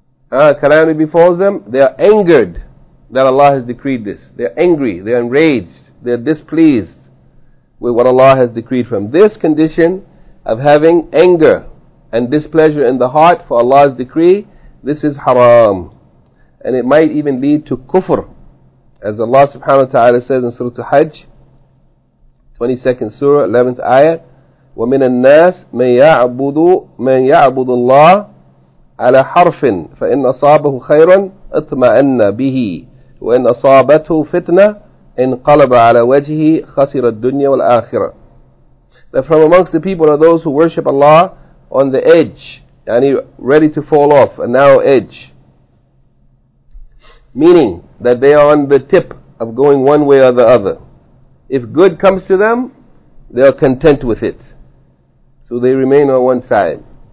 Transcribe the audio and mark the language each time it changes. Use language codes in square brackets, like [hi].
[en] Calamity befalls them, they are angered that Allah has decreed this. They are angry, they are enraged, they are displeased with what Allah has decreed for them. This condition of having anger and displeasure in the heart for Allah's decree, this is haram. And it might even lead to kufr. As Allah subhanahu wa ta'ala says in Surah Al-Hajj, 22nd Surah, 11th Ayah, [ar] وَمِنَ النَّاسِ مَنْ يَعْبُدُ اللَّهِ عَلَى حَرْفٍ فَإِنْ أَصَابَهُ خَيْرًا اطْمَأَنَّ بِهِ وَإِنْ أَصَابَتْهُ فِتْنَةٍ إِنْقَلَبَ عَلَى وَجْهِ خَسِرَ الدُّنْيَا وَالْآخِرَةِ. [en] That from amongst the people are those who worship Allah on the edge, yani ready to fall off, a narrow edge. Meaning that they are on the tip of going one way or the other. If good comes to them, they are content with it. So they remain on one side.